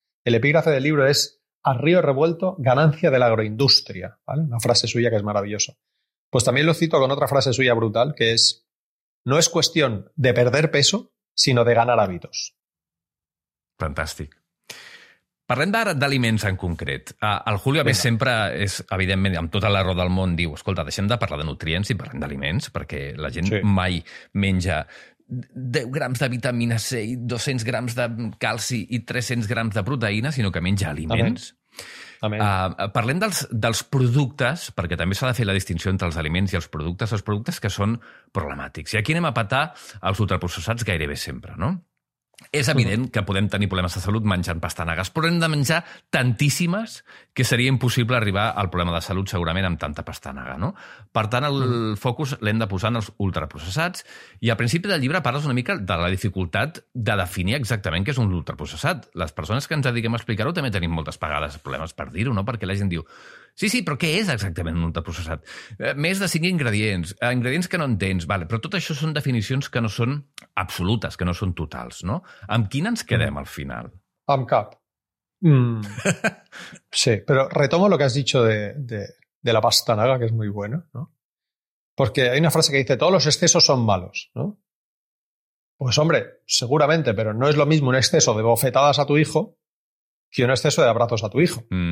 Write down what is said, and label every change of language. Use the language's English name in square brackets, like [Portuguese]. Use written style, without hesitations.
[Spanish] El epígrafe del libro es "A río revuelto, ganancia de la agroindustria", ¿vale? Una frase suya que es maravillosa. Pues también lo cito con otra frase suya brutal, que es: "No es cuestión de perder peso, sino de ganar hábitos". [Catalan] Fantàstic. Parlem ara d'aliments en concret. El Julio, a més, sempre és, evidentment, amb tota la raó del món, diu, escolta, deixem de parlar de nutrients i parlem d'aliments, perquè la gent mai menja 10 grams de vitamina C i 200 grams de calci i 300 grams de proteïna, sinó que menja aliments. Parlem dels productes, perquè també s'ha de fer la distinció entre els aliments i els productes que són problemàtics. I aquí anem a petar els ultraprocessats gairebé sempre, no? És evident que podem tenir problemes de salut menjant pastanagues, però hem de menjar tantíssimes que seria impossible arribar al problema de salut segurament amb tanta pastanaga, no? Per tant, el focus l'hem de posar en els ultraprocessats i al principi del llibre parles una mica de la dificultat de definir exactament què és un ultraprocessat. Les persones que ens dediquem a explicar-ho també tenim moltes vegades problemes per dir-ho, no? Perquè la gent diu... Sí, sí, però què és exactament un ultraprocessat? Més de 5 ingredients, ingredients que no entens, vale, però tot això són definicions que no són absolutes, que no són totals, no? Amb quina ens quedem al final? Amb cap. [Spanish] Sí, però retomo lo que has dicho de la pastanaga, que es muy bueno, ¿no? Porque hay una frase que dice, todos los excesos son malos, ¿no? Pues hombre, seguramente, pero no es lo mismo un exceso de bofetadas a tu hijo que un exceso de abrazos a tu hijo.